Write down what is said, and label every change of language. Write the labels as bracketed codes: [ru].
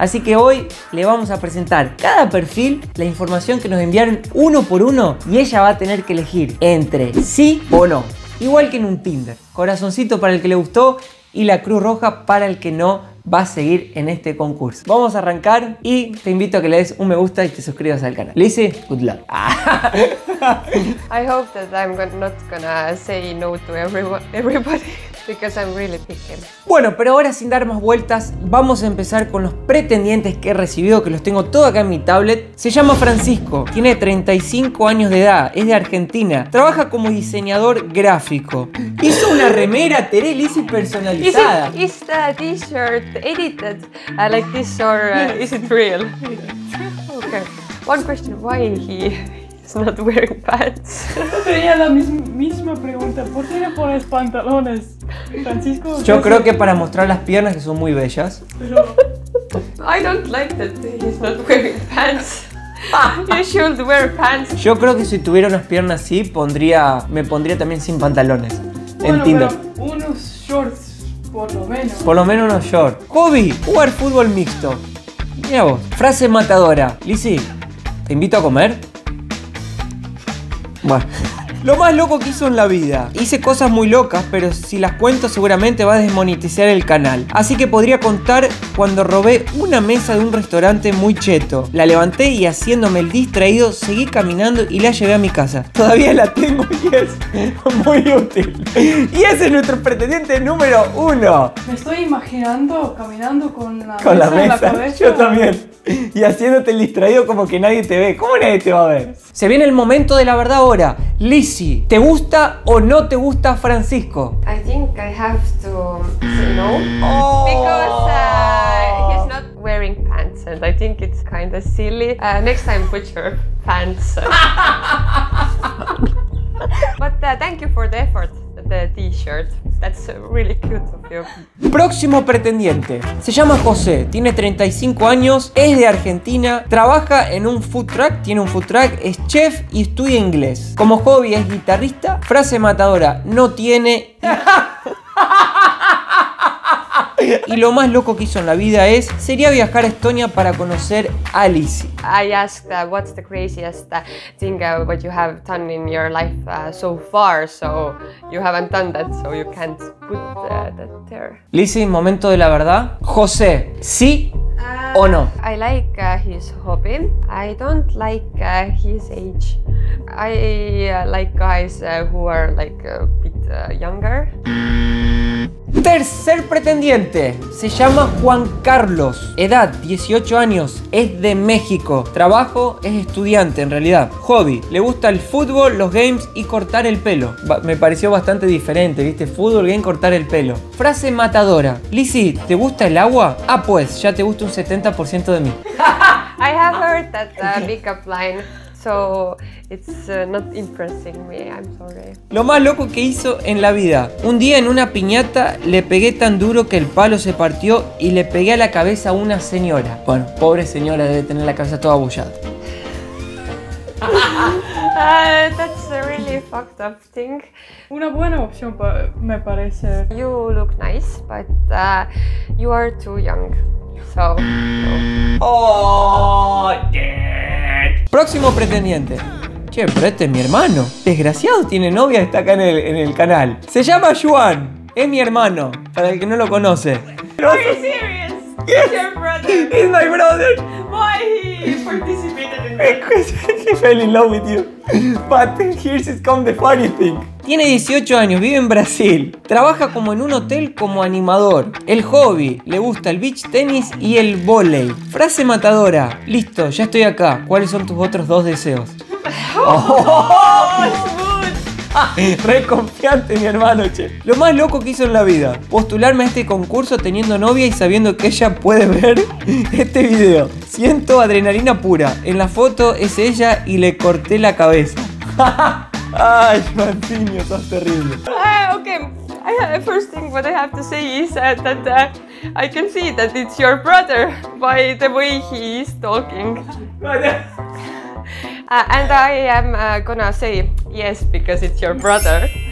[es] Así que hoy le vamos a presentar cada perfil, la información que nos enviaron uno por uno, y ella va a tener que elegir entre sí o no. Igual que en un Tinder. Corazoncito para el que le gustó y la cruz roja para el que no va a seguir en este concurso. Vamos a arrancar y te invito a que le des un me gusta y te suscribas al canal. [en] Lizzie, good luck. I hope that I'm not gonna say no to everybody because I'm really picky. [es] Bueno, pero ahora sin dar más vueltas, vamos a empezar con los pretendientes que he recibido, que los tengo todo acá en mi tablet. Se llama Francisco, tiene 35 años de edad, es de Argentina, trabaja como diseñador gráfico. Hizo una remera Tere Lizzie personalizada. [en] Is it a t-shirt? Edited, I like this, or is it real? Okay, one question, why he is not wearing pants? [es] Tenía la misma pregunta, ¿por qué no pones pantalones, Francisco? Yo creo que para mostrar las piernas, que son muy bellas. Pero... [en] I don't like that he's not wearing pants. You should wear pants. [es] Yo creo que si tuviera unas piernas así, me pondría también sin pantalones. Bueno, en Tinder. Pero unos shorts. Por lo menos unos short. Hobby, jugar fútbol mixto. Mira vos. Frase matadora. Lizzie, ¿te invito a comer? Bueno. Lo más loco que hizo en la vida. Hice cosas muy locas, pero si las cuento seguramente va a desmonetizar el canal. Así que podría contar cuando robé una mesa de un restaurante muy cheto. La levanté y haciéndome el distraído, seguí caminando y la llevé a mi casa. Todavía la tengo y es muy útil. Y ese es nuestro pretendiente número uno. Me estoy imaginando caminando con la mesa en la cabeza. Yo también. Y haciéndote el distraído como que nadie te ve. ¿Cómo nadie te va a ver? Se viene el momento de la verdad ahora. Lizzie, ¿te gusta o no te gusta Francisco? [en] I think I have to say no. Oh. Because he's not wearing pants and I think it's kind of silly. Next time put your pants. But thank you for the effort, the t-shirt. That's really cute of you. [es] Próximo pretendiente. Se llama José, tiene 35 años, es de Argentina, trabaja en un food truck, tiene un food truck, es chef y estudia inglés. Como hobby es guitarrista. Frase matadora, no tiene... Y lo más loco que hizo en la vida es, sería viajar a Estonia para conocer a Lizzie. [en] I asked what's the craziest thing what you have done in your life so far, so you haven't done that, so you can't put that there. [es] Lizzie, momento de la verdad. José, ¿sí o no? [en] I like his hobby. I don't like his age. I like guys who are like a bit younger. [es] Tercer pretendiente, se llama Juan Carlos, edad 18 años, es de México, trabajo es estudiante en realidad, hobby, le gusta el fútbol, los games y cortar el pelo. Me pareció bastante diferente, viste, fútbol, game, cortar el pelo. Frase matadora, Lizzie, ¿te gusta el agua? Ah, pues, ya te gusta un 70% de mí. [en] I have heard that big upline. So it's not impressing me, I'm sorry. [es] Lo más loco que hizo en la vida. Un día en una piñata le pegué tan duro que el palo se partió y le pegué a la cabeza a una señora. Bueno, pobre señora, debe tener la cabeza toda abullada. [en] That's a really fucked up thing. [es] Una buena opción, me parece. [en] You look nice, but you are too young. So, no. Oh, yeah. [es] Próximo pretendiente. Che, pero este es mi hermano. Desgraciado, tiene novia, está acá en el canal. Se llama Juan. Es mi hermano. Para el que no lo conoce. [en] Are you serious? Yes. Your brother. He's my brother. Why he participated in that? He fell in love with you. But here's come the funny thing. [es] Tiene 18 años, vive en Brasil. Trabaja como en un hotel como animador. El hobby, le gusta el beach tennis y el volei. Frase matadora, listo, ya estoy acá. ¿Cuáles son tus otros dos deseos? Oh, oh, oh, oh. Re confiante, mi hermano, che. Lo más loco que hizo en la vida: postularme a este concurso teniendo novia y sabiendo que ella puede ver este video. Siento adrenalina pura. En la foto es ella y le corté la cabeza. Ay, Mancinio, sos terrible. Ok. [en] I have, first thing what I have to say is that I can see that it's your brother by the way he is talking. And I am gonna say yes because it's your brother.